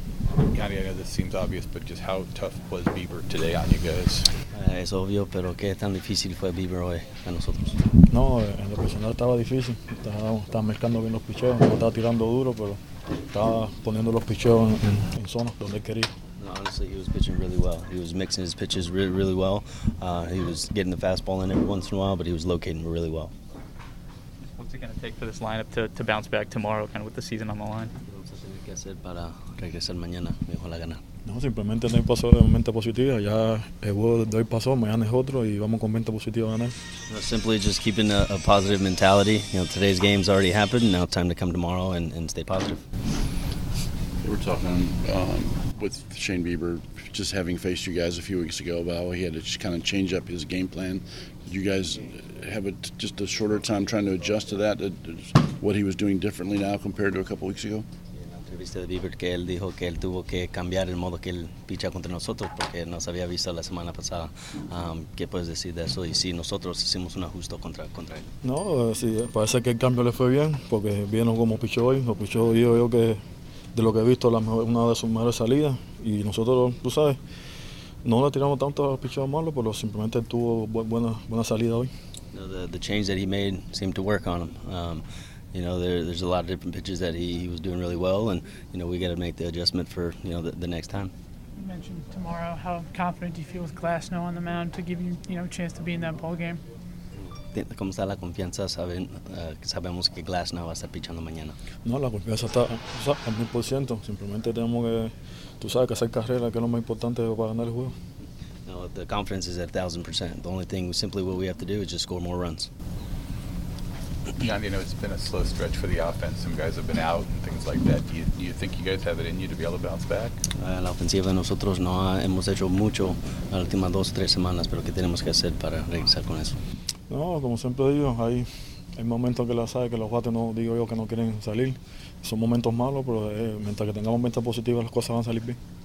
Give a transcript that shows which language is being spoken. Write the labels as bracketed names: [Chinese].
[English] Yandy, I know this seems obvious, but just how tough was Bieber today on you guys? [Spanish] Es obvio, pero qué tan difícil fue Bieber hoy a nosotros. No, en lo personal estaba difícil. Estaba mezclando bien los picheos, no estaba tirando duro, pero estaba poniendo los picheos en zona donde quería. [English] Honestly, he was pitching really well. He was mixing his pitches really, really well. He was getting the fastball in every once in a while, but he was locating really well. What's it going to take for this lineup to bounce back tomorrow, kind of with the season on the line? [Spanish] ¿Qué vamos a tener que hacer para regresar mañana, mejor la gana? No, simplemente no hay paso de mente positiva. Ya el juego de hoy pasó, mañana es otro y vamos con mente positiva a ganar. [English] No, simply just keeping a positive mentality. You know, today's game's already happened. Now time to come tomorrow and stay positive. We're talking with Shane Bieber, just having faced you guys a few weeks ago, about how he had to just kind of change up his game plan. You guys have just a shorter time trying to adjust to that, what he was doing differently now compared to a couple weeks ago? [Spanish] Viste de Bieber que él dijo que él tuvo que cambiar el modo que él picha contra nosotros porque nos había visto la semana pasada. ¿Qué puedes decir de eso? Y si nosotros hicimos un ajuste contra él. No, sí, parece que el cambio le fue bien porque vino como pichó hoy. Lo pichó hoy, yo que de lo que he visto, una de sus mejores salidas. Y nosotros, tú sabes, no le tiramos tanto a pichó malo, pero simplemente tuvo buena salida hoy. [English] No, the change that he made seemed to work on him. You know, there's a lot of different pitches that he was doing really well, and you know, we got to make the adjustment for, you know, the next time. You mentioned tomorrow. How confident do you feel with Glasnow on the mound to give you, you know, a chance to be in that ball game? [Spanish] ¿Cómo está la confianza? Sabemos que Glasnow va a estar pichando mañana. No, la confianza está al 100%. Simplemente tenemos que, tú sabes, que hacer carrera, que es lo más importante para ganar el juego. [English] No, the confidence is at 1,000%. The only thing, simply what we have to do is just score more runs. Yandy, you know, it's been a slow stretch for the offense. Some guys have been out and things like that. Do you think you guys have it in you to be able to bounce back? [Spanish] La ofensiva de nosotros no hemos hecho mucho las últimas dos o tres semanas, pero ¿qué tenemos que hacer para regresar con eso? No, como siempre digo, hay momentos que la sabe que los guates no, digo yo, que no quieren salir. Son momentos malos, pero mientras que tengamos mente positiva, las cosas van a salir bien.